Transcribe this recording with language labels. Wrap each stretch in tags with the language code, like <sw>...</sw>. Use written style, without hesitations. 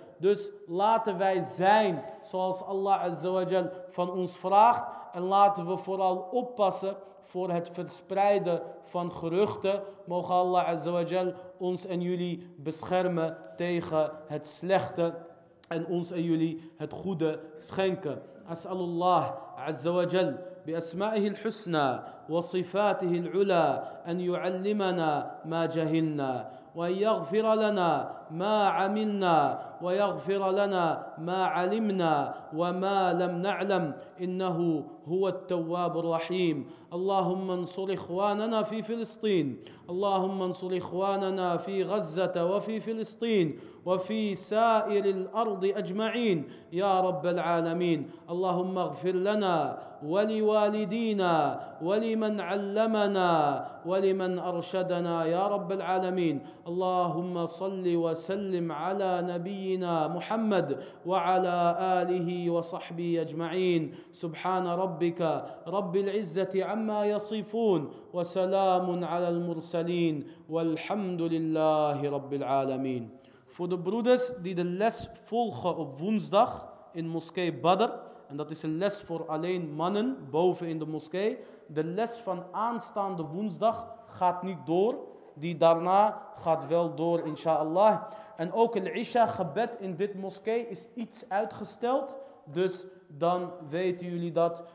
<nl>Dus laten wij zijn zoals Allah Azza wa Jal van ons vraagt. En laten we vooral oppassen voor het verspreiden van geruchten. Mogen Allah Azza wa Jal ons en jullie beschermen tegen het slechte. En ons en jullie het goede schenken.</nl> <ar>As'alullah Azza wa Jal. بأسمائه الحسنى وصفاته العلى أن يعلمنا ما جهلنا ويغفر لنا ما عملنا ويغفر لنا ما علمنا وما لم نعلم إنه هو التواب الرحيم. اللهم انصر إخواننا في فلسطين، اللهم انصر إخواننا في غزة وفي فلسطين وفي سائر الأرض أجمعين يا رب العالمين. اللهم اغفر لنا ولوالدينا ولمن علمنا ولمن أرشدنا يا رب العالمين. اللهم صل وسلم على نبينا محمد وعلى آله وصحبه أجمعين. سبحان ربك رب العزة عما يصفون، وسلام على المرسلين، والحمد لله رب العالمين.</ar> <en>For the brothers</en> <nl>die de les volgen op woensdag in moskee Badr, en dat is een les voor alleen mannen boven in de moskee. De les van aanstaande woensdag gaat niet door, die daarna gaat wel door inshallah. En ook het Isha gebed in dit moskee is iets uitgesteld, dus dan weten jullie dat.</nl>